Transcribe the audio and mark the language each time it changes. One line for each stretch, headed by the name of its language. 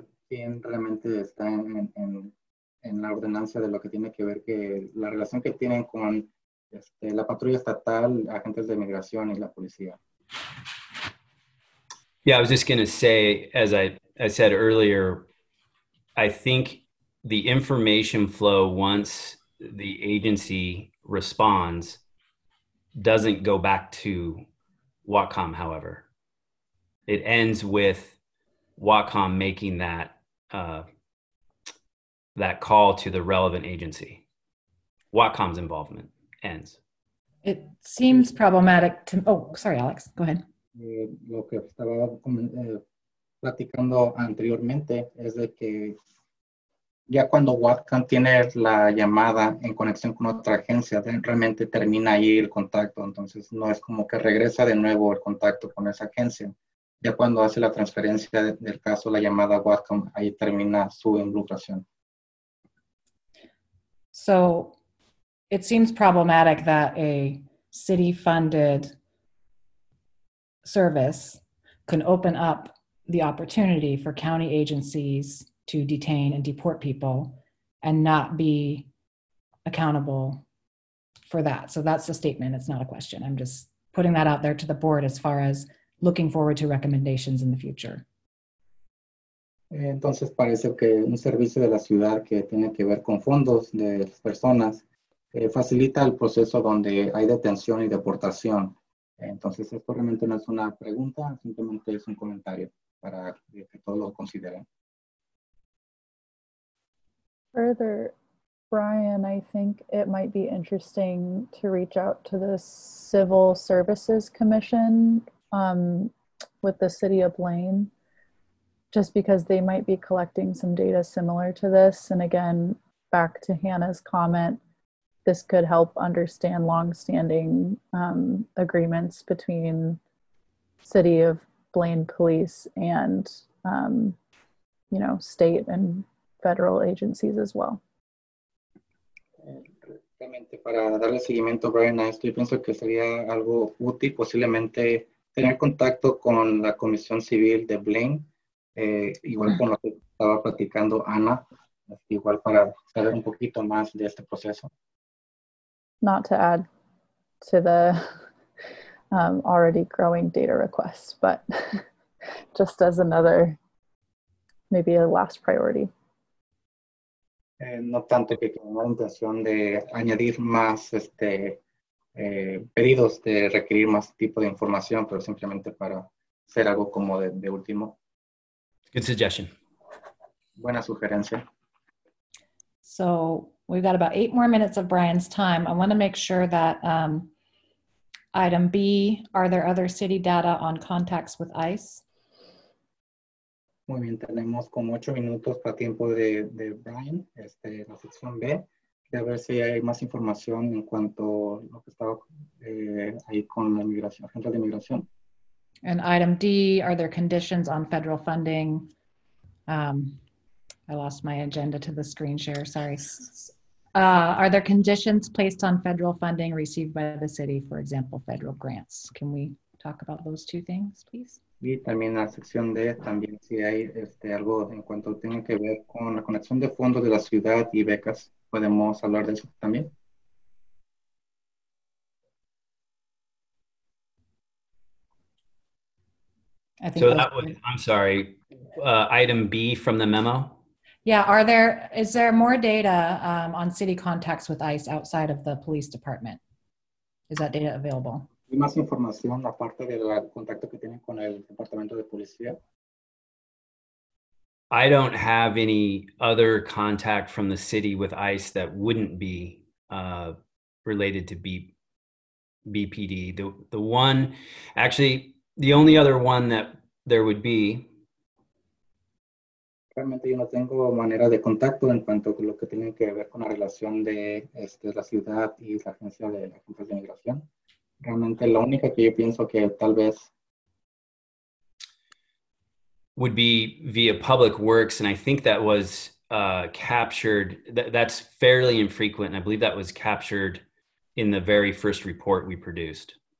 Spanish: Quién realmente está en la ordenanza de lo que tiene que ver que la relación que tienen con la patrulla estatal, agentes de migración y la policía.
English: Yeah, I was just going to say, as I said earlier, I think the information flow once the agency responds doesn't go back to Whatcom, however. It ends with Whatcom making that call to the relevant agency. Whatcom's involvement ends. It seems problematic to, sorry, Alex, go ahead.
Spanish: Lo que estaba platicando anteriormente es de que ya cuando Whatcom tiene la llamada en conexión con otra agencia, realmente termina ahí el contacto. Entonces no es como que regresa de nuevo el contacto con esa agencia. Ya cuando hace la transferencia del caso, la llamada Whatcom, ahí termina su involucración.
English: So, it seems problematic that a city-funded service can open up the opportunity for county agencies to detain and deport people and not be accountable for that. So that's the statement, it's not a question. I'm just putting that out there to the board as far as looking forward to recommendations in the future.
Spanish: Entonces parece que un servicio de la ciudad que tiene que ver con fondos de personas facilita el proceso donde hay detención y deportación. Entonces, esto realmente no es una pregunta, simplemente es un comentario para que todos lo consideren.
English: Further, Brian, I think it might be interesting to reach out to the Civil Services Commission with the City of Blaine, just because they might be collecting some data similar to this. And again, back to Hannah's comment, this could help understand longstanding agreements between City of Blaine Police and you know, state and federal agencies as well.
Spanish: Realmente para darle seguimiento, Brian, a esto, yo pienso que sería algo útil posiblemente tener contacto con la Comisión Civil de Blaine, igual con lo que estaba platicando Ana, igual para saber un poquito más de este proceso.
English: Not to add to the already growing data requests, but just as another, maybe a last priority.
Spanish: No tanto que con la intención de añadir más pedidos, de requerir más tipo de información, pero simplemente para hacer algo como de último.
English: Good suggestion.
Spanish: Buena sugerencia.
English: So we've got about 8 more minutes of Brian's time. I want to make sure that item B, are there other city data on contacts with ICE?
Spanish: Muy bien, tenemos como 8 minutos para tiempo de Brian, la sección B, de ver si hay más información en cuanto a lo que estaba ahí con la inmigración, agente de inmigración.
English: And item D, are there conditions on federal funding? I lost my agenda to the screen share, sorry. Are there conditions placed on federal funding received by the city, for example, federal grants? Can we talk about those two things, please?
Spanish: Y también la sección D, también si hay algo en cuanto tenga que ver con la conexión de fondos de la ciudad y becas, podemos hablar de eso también.
English: So that was, I'm sorry, item B from the memo? Yeah, is there more data on city contacts with ICE outside of the police department? Is that data available?
Spanish: ¿Hay más información aparte del contacto que tienen con el departamento de policía?
English: I don't have any other contact from the city with ICE that wouldn't be related to BPD. The one, actually, the only other one that there would be.
Spanish: Realmente yo no tengo manera de contacto en cuanto a lo que tiene que ver con la relación de la ciudad y la agencia de la agencia de inmigración. Realmente la única que yo pienso que tal vez
English: would be via Public Works, and I think that was captured, that's fairly infrequent, and I believe that was captured in the very first report we produced.